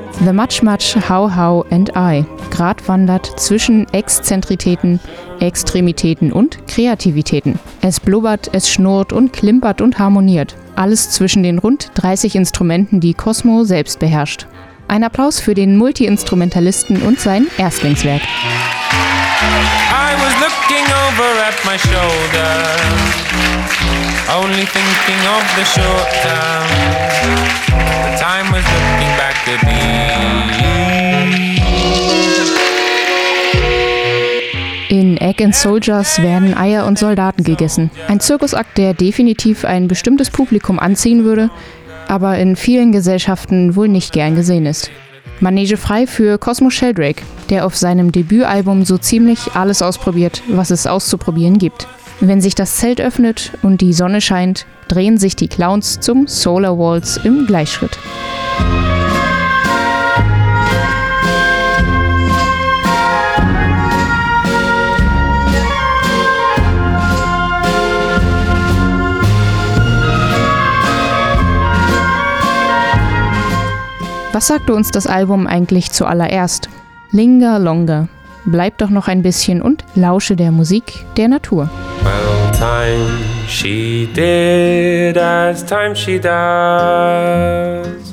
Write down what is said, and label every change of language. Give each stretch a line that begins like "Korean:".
German: The Much Much How How and I gratwandert zwischen Exzentritäten, Extremitäten und Kreativitäten. Es blubbert, es schnurrt und klimpert und harmoniert. Alles zwischen den rund 30 Instrumenten, die Cosmo selbst beherrscht. Ein Applaus für den Multi-Instrumentalisten und sein Erstlingswerk.
English: I was looking over at my shoulder, only thinking of the short term. The time was looking back to me.
German: In Egg and Soldiers werden Eier und Soldaten gegessen. Ein Zirkusakt, der definitiv ein bestimmtes Publikum anziehen würde, aber in vielen Gesellschaften wohl nicht gern gesehen ist. Manege frei für Cosmo Sheldrake, der auf seinem Debütalbum so ziemlich alles ausprobiert, was es auszuprobieren gibt. Wenn sich das Zelt öffnet und die Sonne scheint, drehen sich die Clowns zum Solar Waltz im Gleichschritt. Was sagte uns das Album eigentlich zuallererst? Linger longer. Bleib doch noch ein bisschen und lausche der Musik der Natur.
English: Well, time she did as time she does.